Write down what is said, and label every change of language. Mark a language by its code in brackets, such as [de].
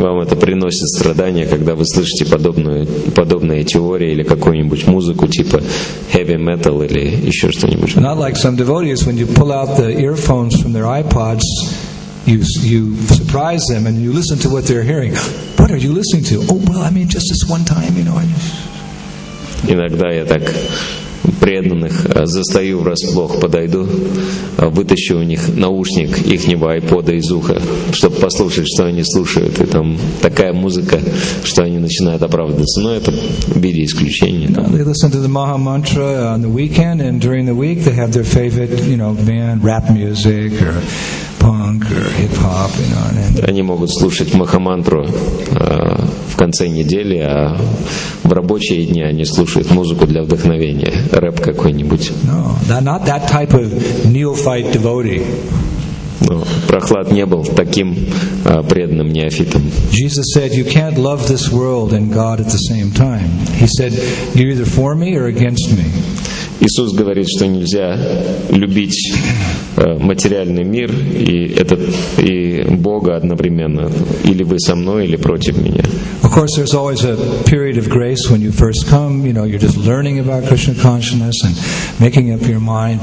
[ru] Вам это приносит страдания, когда вы слышите подобные теории или какую-нибудь музыку типа heavy metal или ещё что-нибудь. [en] Not like some devotees, when you pull out the earphones from their iPods, you surprise them and you listen to what they're hearing. What are you listening to? Oh, well, I mean, just this one time, you know. [ru] Иногда я так преданных застаю врасплох, подойду, вытащу у них наушник ихнего айпода из уха, чтобы послушать, что они слушают, и там такая музыка, что они начинают оправдываться. Но это в виде исключения. [en] No, they listen to the Maha Mantra on the weekend, and during the week they have their favorite, you know, band, rap music, or punk, or hip-hop, you know. And... [ru] Они могут слушать Махамантру в конце недели, а в рабочие дни они слушают музыку для вдохновения, рэп какой-нибудь. [en] No, not that type of neophyte devotee. [ru] Но Прохлад не был таким преданным неофитом. [en] Jesus said, you can't love this world and God at the same time. He said, you're either for me or against me. [ru] Иисус говорит, что нельзя любить материальный мир и Бога одновременно. Или вы со мной, или против меня. [en] Of course, there's always a period of grace when you first come. You know, you're just learning about Krishna consciousness and making up your mind.